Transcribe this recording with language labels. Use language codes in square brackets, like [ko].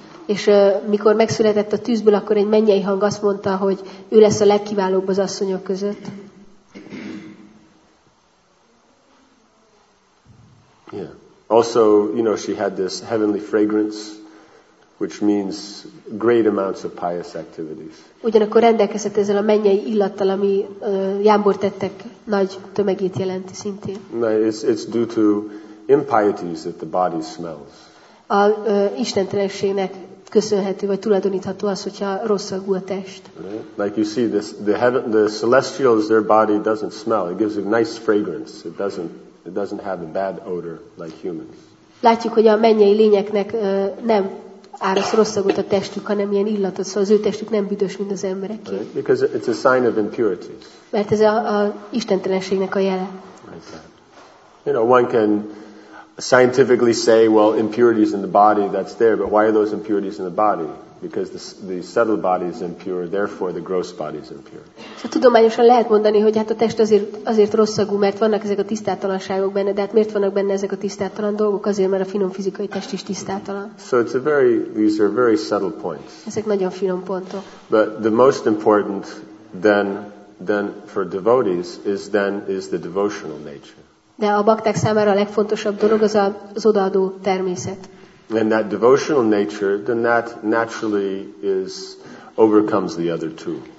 [hu] És mikor megszületett a tűzből, akkor egy mennyei hang azt mondta, hogy ő lesz a legkiválóbb az asszonyok között. [en] Yeah. Also, you know, she had this heavenly fragrance, which means great amounts of pious activities. [hu] Ugyanakkor rendelkezett ezzel a mennyei illattal, ami jámbortettek nagy tömegét jelenti szintén. [en] No, it's due to impieties that the body smells. [hu] A istentelenségnek köszönhető vagy tulajdonítható az, hogyha rosszagú a test. [en] Right? Like you see, the celestials, their body doesn't smell. It gives a nice fragrance. It doesn't It doesn't have a bad odor like humans. [hu] Látjuk, hogy a mennyei lényeknek nem árasz rosszagot a testük, hanem ilyen illatot, szóval az ő testük nem büdös, mint az embereké. [en] Right? Because it's a sign of impurities. [hu] Mert ez a istentelenségnek a jele. [en] Right. You know, one can scientifically say, well, impurities in the body, that's there, but why are those impurities in the body? Because the subtle body is impure, therefore the gross body is impure. [hu] Szóval tudományosan lehet mondani, hogy hát a test azért rosszagú, mert vannak ezek a tisztátalanságok benne, de hát miért vannak benne ezek a tisztátalan dolgok? Azért, mert a finom fizikai test is tisztátalan. [en] So it's a very, these are very subtle points. [hu] Ezek nagyon finom pontok. [en] But the most important then for devotees is the devotional nature. [hu] De a bakták számára a legfontosabb dolog az az odaadó természet. [en] And that devotional nature, then that naturally is overcomes the other two.